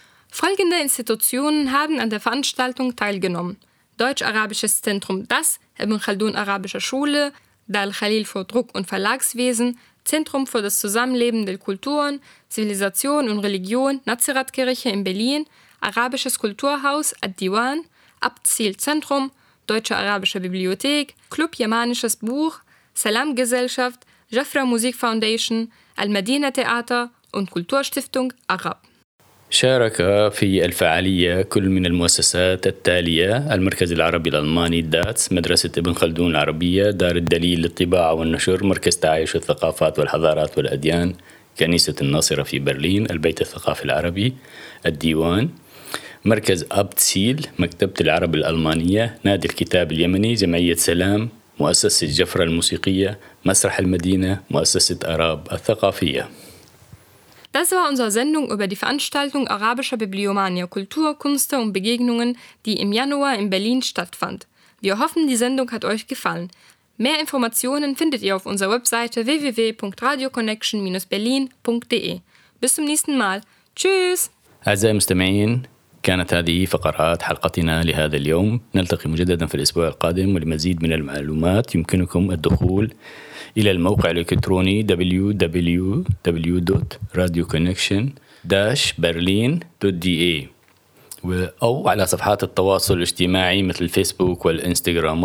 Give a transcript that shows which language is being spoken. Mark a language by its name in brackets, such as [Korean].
[German] Folgende Institutionen haben an der Veranstaltung teilgenommen: Deutsch-Arabisches Zentrum DAS, Ibn Khaldun Arabische Schule, Dal Khalil für Druck- und Verlagswesen, Zentrum für das Zusammenleben der Kulturen, Zivilisation und Religion, Nazirat-Kirche in Berlin, Arabisches Kulturhaus Ad-Diwan, Abzil-Zentrum, Deutsche Arabische Bibliothek, Club Jemanisches Buch, Salam-Gesellschaft, Jafra Musik Foundation, Al-Madina Theater und Kulturstiftung Arab. [Arabic] شارك في الفعالية كل من المؤسسات التالية: المركز العربي الألماني داتس، مدرسة ابن خلدون العربية، دار الدليل للطباعة والنشر، مركز تعايش الثقافات والحضارات والأديان، كنيسة الناصرة في برلين، البيت الثقافي العربي، الديوان، مركز أبتسيل، مكتبة العرب الألمانية، نادي الكتاب اليمني، جمعية سلام، مؤسسة الجفرة الموسيقية، مسرح المدينة، مؤسسة أراب الثقافية. [German] Das war unsere Sendung über die Veranstaltung Arabischer Bibliomania Kultur, Künste und Begegnungen, die im Januar in Berlin stattfand. Wir hoffen, die Sendung hat euch gefallen. Mehr Informationen findet ihr auf unserer Webseite www.radioconnection-berlin.de. Bis zum nächsten Mal. Tschüss! [Arabic] أعزائي المستمعين, كانت هذه فقرات حلقتنا لهذا اليوم. نلتقي مجددا في الأسبوع القادم, ولمزيد من المعلومات يمكنكم الدخول إلى الموقع الإلكتروني www.radioconnection-berlin.de أو على صفحات التواصل الاجتماعي مثل الفيسبوك والإنستغرام.